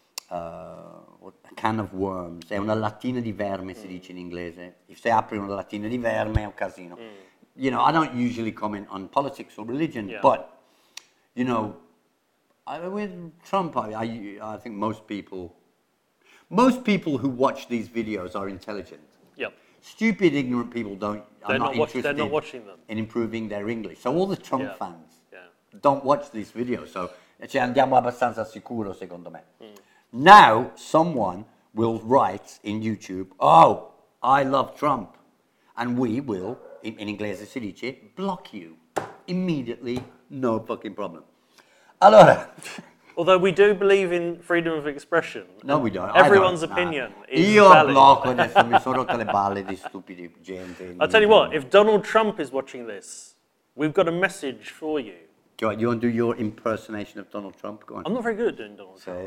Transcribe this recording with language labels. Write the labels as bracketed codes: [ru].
[en] a can of worms, [it] è una lattina di verme, si dice in inglese. Se apri una lattina di verme è un casino. Mm. [en] You know, I don't usually comment on politics or religion, but, you know, with Trump, I think most people who watch these videos are intelligent. Yep. Stupid, ignorant people don't. They're not interested in improving their English. So all the Trump fans don't watch these videos. So [it] ci andiamo abbastanza sicuro, secondo me. [en] Mm. Now someone will write in YouTube, "Oh, I love Trump," and we will, [it] in inglese si dice, [en] block you immediately. No fucking problem. Allora. Although we do believe in freedom of expression. No, we don't. Everyone's opinion is valid. [it] Io blocco adesso, mi sono rotto le balle di stupidi gente. [en] I'll tell you what, if Donald Trump is watching this, we've got a message for you. You want to do your impersonation of Donald Trump? Go on. I'm not very good at doing Donald Trump.